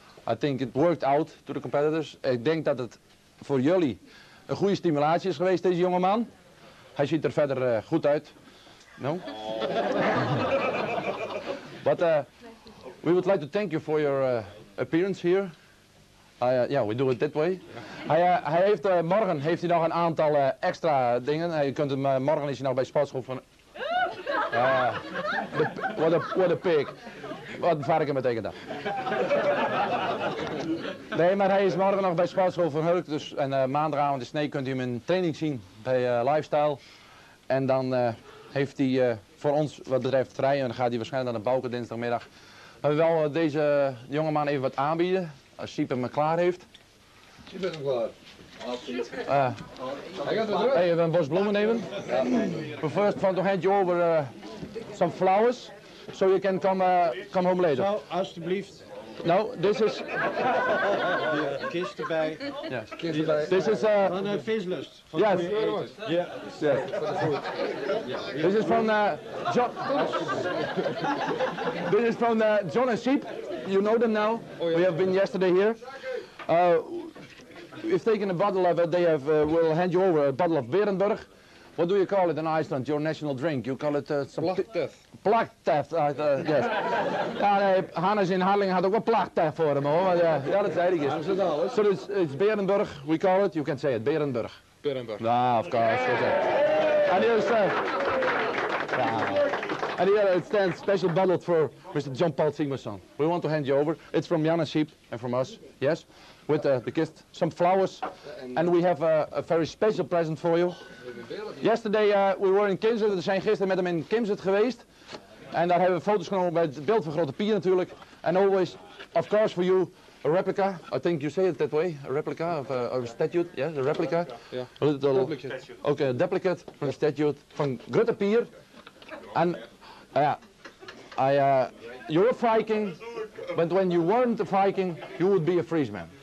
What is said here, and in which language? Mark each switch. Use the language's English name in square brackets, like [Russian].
[English] I think it worked out to the competitors. [Dutch] Ik denk dat het voor jullie een goede stimulatie is geweest, deze jongeman. Hij ziet er verder goed uit. [English] No? Oh. But we would like to thank you for your appearance here. We do it that way. Yeah. [Dutch] Hij heeft morgen heeft hij nog een aantal extra dingen. Je kunt hem morgen is hij nog bij sportschool van. [English] What a pig. [Dutch] Wat een varken betekent dat? Nee, maar hij is morgen nog bij sportschool van Hulk. Dus en maandagavond in Sneek kunt u hem in training zien bij Lifestyle. En dan heeft hij voor ons wat betreft vrij en dan gaat hij waarschijnlijk naar de Bouken dinsdagmiddag. Maar we willen deze jongeman even wat aanbieden. Als Siep hem klaar heeft. Siep is hem klaar. Hey, we hebben een bos bloemen nemen. [English] We first want to hand you over some flowers. So you can come home later. [Dutch] Zo, alsjeblieft. [English] No, this is... [Dutch] kist erbij. [English] Yes. [Dutch] Kist erbij. [English] This is... [Dutch] Van de vislust. Van [English] yes. Yeah. Yeah. This is from John... This is from John and Siep. You know them now. Oh, yeah. We have been yesterday here. We've taken a bottle of it. They have will hand you over a bottle of Berenburg. What do you call it in Iceland? Your national drink. You call it [Icelandic] Plaktef. [English] Plaktef. Yes. [Dutch] Hannes in Harlingen had ook wel Plaktef voor hem, hoor. Ja, dat zei ik eens. [English] So it's Berenburg. We call it. You can say it. Berenburg. Berenburg. Ah, of course. Okay. And here's And here it stands special bottled for Mr. John Paul Sigmundsson. We want to hand you over. It's from Jan and Siep and from us. Yes? With the gift, some flowers. And we have a very special present for you. Yesterday we were in Kimsit. [Dutch] We zijn gisteren met hem in Kimsit geweest. En daar hebben we foto's genomen bij het beeld van Grote Pier natuurlijk. [English] And always, of course for you, a replica. I think you say it that way. A replica of a statue. Yes, a replica. Yeah. A little duplicate. Okay, a duplicate from the statue van Grote Pier. And you're a Viking, but when you weren't a Viking, you would be a Friesman.